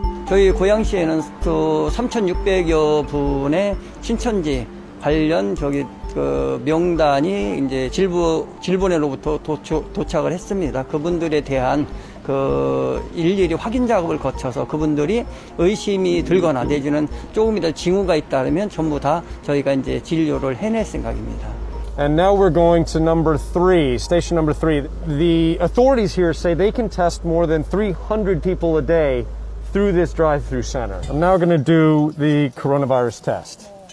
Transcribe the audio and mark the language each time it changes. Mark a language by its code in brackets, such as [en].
[en] In our Goyang city, there are 3,600 people in Shincheonji. [ko] 관련 저기 그 명단이 이제 질본에로부터 도착을 했습니다. 그분들에 대한 그 일일이 확인 작업을 거쳐서 그분들이 의심이 들거나 내지는 조금이라도 징후가 있다면 전부 다 저희가 이제 진료를 해낼 생각입니다. [en] And now we're going to number three, station number three. The authorities here say they can test more than 300 people a day through this drive-through center. I'm now going to do the coronavirus test.